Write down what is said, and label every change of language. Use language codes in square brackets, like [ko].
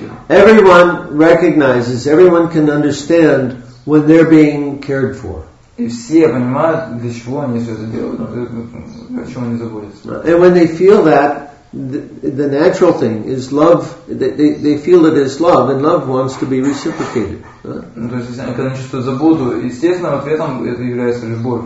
[en] Everyone recognizes, everyone can understand when they're being cared for. [ru] И все понимают, для чего они все это делают, о чем они заботятся. [en] And when they feel that, the natural thing is love. They feel it is love, and love wants to be reciprocated. [ru] То есть, если они чувствуют заботу, естественно, ответом это является любовь.